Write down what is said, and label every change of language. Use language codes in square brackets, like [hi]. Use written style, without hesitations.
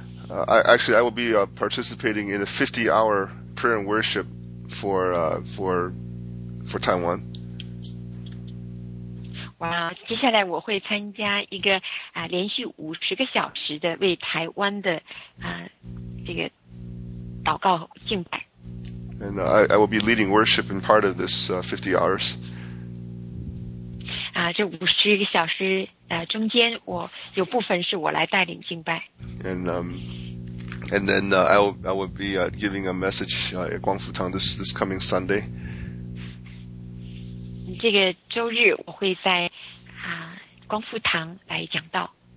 [en] I will be participating in a 50-hour prayer and worship for Taiwan. [zh] Wow, 接下来我会参加一个, 连续 50个小时的 为台湾的, 这个 祷告敬拜。 [en] And I will be leading worship in part of this 50 hours. [zh] 这 50个小时, 中间 有部分是我来带领敬拜。 [en] And then I will be giving a message at Guangfutang this coming Sunday. [zh] 这个周日我会在 光复堂来讲道。